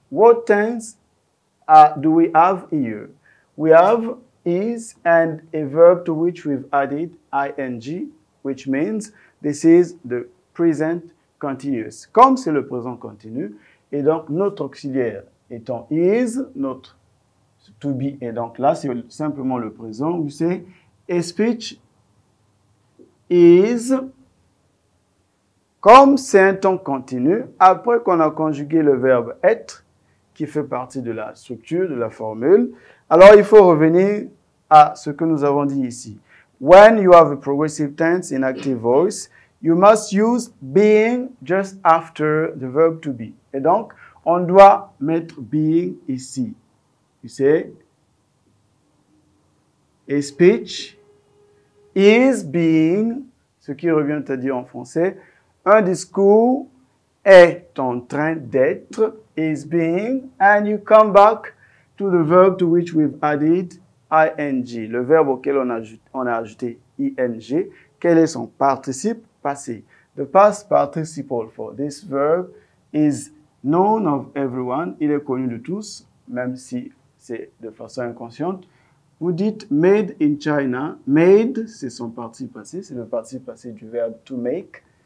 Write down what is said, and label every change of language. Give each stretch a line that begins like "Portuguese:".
English: What tense do we have here? We have is and a verb to which we've added ing, which means this is the present continuous.
French: Comme c'est le présent continu, et donc notre auxiliaire étant is, notre to be est donc là, c'est simplement le présent. Vous savez,
English: a speech is,
French: comme c'est un temps continu, après qu'on a conjugué le verbe être, qui fait partie de la structure, de la formule, alors il faut revenir à ce que nous avons dit ici.
English: When you have a progressive tense in active voice, you must use being just after the verb to be.
French: Et donc, on doit mettre being ici.
English: You see? A speech is being,
French: ce qui revient à dire en français, un discours est en train d'être, is being,
English: and you come back to the verb to which we've added ing,
French: le verbe auquel on a ajouté ing. Quel est son participe passé?
English: The past participle for this verb is known of everyone.
French: Il est connu de tous, même si c'est de façon inconsciente. Vous dites
English: made in China.
French: Made, c'est son participe passé. C'est le participe passé du verbe to make.